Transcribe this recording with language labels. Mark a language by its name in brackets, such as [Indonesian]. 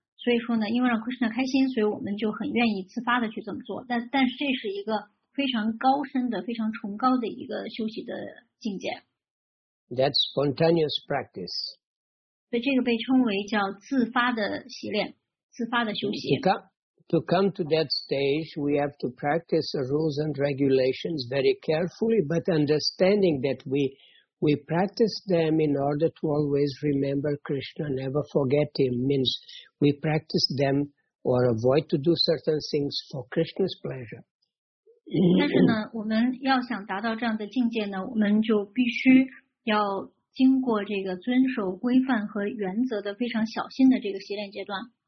[Chinese] 所以说呢，因为让 Krishna 开心，所以我们就很愿意自发的去这么做。但是这是一个非常高深的、非常崇高的一个修习的境界。 [English] That's spontaneous practice. [Chinese] 所以这个被称为叫自发的习练、自发的修习。 [English] To come to that stage, we have to practice the rules and regulations very carefully, but understanding that we practice them in order to always remember Krishna, never forget him, means we practice them or avoid to do certain things for Krishna's pleasure. [Chinese] 但是呢，我们要想达到这样的境界呢，我们就必须要经过这个遵守规范和原则的非常小心的这个洗脸阶段。